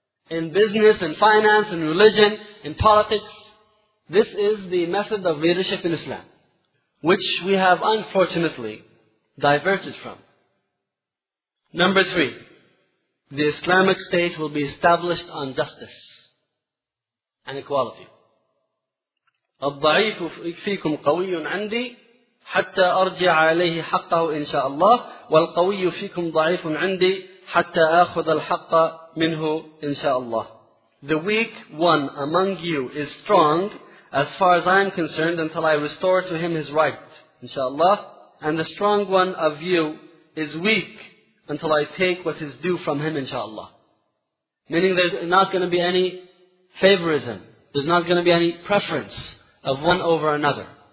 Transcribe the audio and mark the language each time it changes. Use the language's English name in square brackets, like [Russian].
[English] In business, in finance, in religion, in politics. This is the method of leadership in Islam, which we have unfortunately diverted from. Number three, the Islamic State will be established on justice and equality. [Arabic] الضعيف فيكم قوي عندي حتى أرجع عليه حقه إن شاء الله والقوي فيكم ضعيف عندي حتى أخذ الحق منه إن شاء الله. [English] The weak one among you is strong as far as I am concerned until I restore to him his right, inshallah. And the strong one of you is weak until I take what is due from him, inshallah. Meaning there's not going to be any favorism. There's not going to be any preference of one over another.